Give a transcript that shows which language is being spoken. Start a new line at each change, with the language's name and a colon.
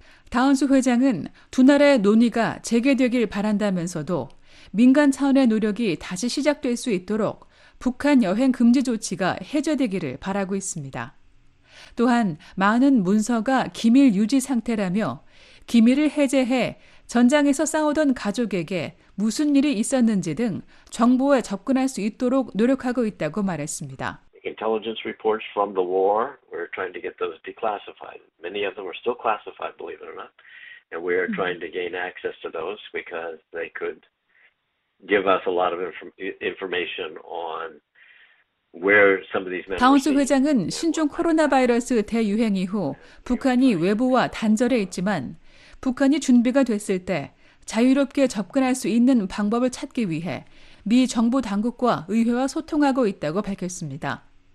Korean: 다운스 회장은 두 나라의 논의가 재개되길 바란다면서도 민간 차원의 노력이 다시 시작될 수 있도록 북한 여행 금지 조치가 해제되기를 바라고 있습니다. 또한 많은 문서가 기밀 유지 상태라며 기밀을 해제해 전장에서 싸우던 가족에게 무슨 일이 있었는지 등 정보에 접근할 수 있도록 노력하고 있다고 말했습니다.
English: Intelligence reports from the war, we're trying to get those declassified. Many of them are still classified, believe it or not. And we are trying to gain access to those because they could give us a lot of information on where some of these members.
Korean: 다운스 회장은 신종 코로나 바이러스 대유행 이후 북한이 외부와 단절해 있지만 북한이 준비가 됐을 때 자유롭게 접근할 수 있는 방법을 찾기 위해 미 정부 당국과 의회와 소통하고 있다고 밝혔습니다.